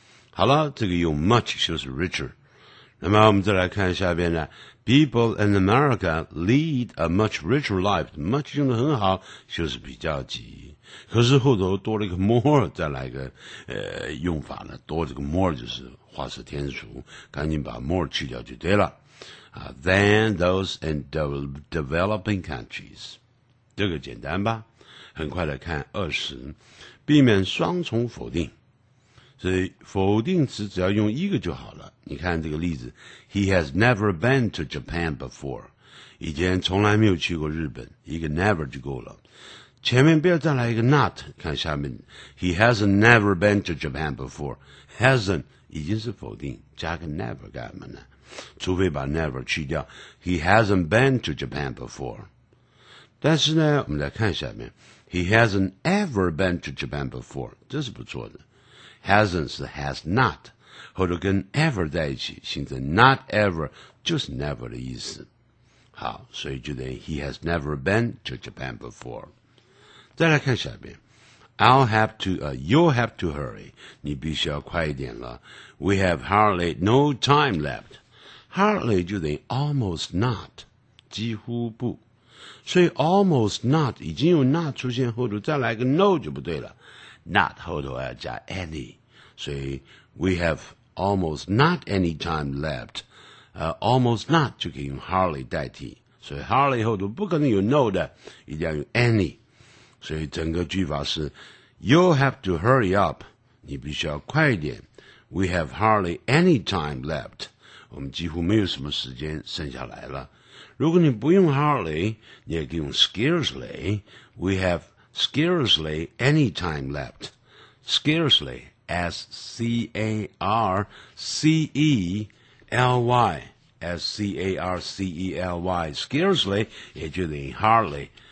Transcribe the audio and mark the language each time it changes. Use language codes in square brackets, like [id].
[zh] 好了，这个用 much 就是 richer。那么我们再来看下边呢 ， [en] People in America lead a much richer life， [zh] much 用得很好，就是比较级。可是后头多了一个 more， 再来一个用法呢，多这个 more 就是画蛇添足，赶紧把 more 去掉就对了。 [en] Than those in developing countries， [zh] 这个简单吧？很快的看20，避免双重否定，所以否定词只要用一个就好了。你看这个例子 ， [en] He has never been to Japan before， [zh] 以前从来没有去过日本，一个 never 就够了。前面不要再来一个 not， 看下面 ， [en] He hasn't never been to Japan before， [zh] hasn't 已经是否定，加个 never 干嘛呢？除非把 [en] never [zh] 去掉 [en] ，He hasn't been to Japan before。 [zh] 但是呢，我们来看下面 ， [en] He hasn't ever been to Japan before， [zh] 这是不错的。 hasn't 是 has not， 后头跟 ever 在一起，形成 not ever 就是 never 的意思。好，所以就等于 [en] He has never been to Japan before。 [zh] 再来看下边 [en] ，you'll have to hurry， [zh] 你必须要快一点了。 [en] We have hardly no time left。 [zh] Hardly 就等于 almost not， 几乎不，所以 almost not 已经有 not 出现后头再来个 no 就不对了 ，not 后头要加 any， 所以 [en] we have almost not any time left， [zh] almost not 就可以用 hardly 代替，所以 hardly 后头不可能有 no 的，一定要用 any， 所以整个句法是 [en] you'll have to hurry up， [zh] 你必须要快一点 ， [en] we have hardly any time left。 [zh] 我们几乎没有什么时间剩下来了。如果你不用 hardly， 你也可以用 scarcely。 [en] We have scarcely any time left。 Scarcely， S C A R C E L Y， S C A R C E L Y， scarcely 也就等于 hardly。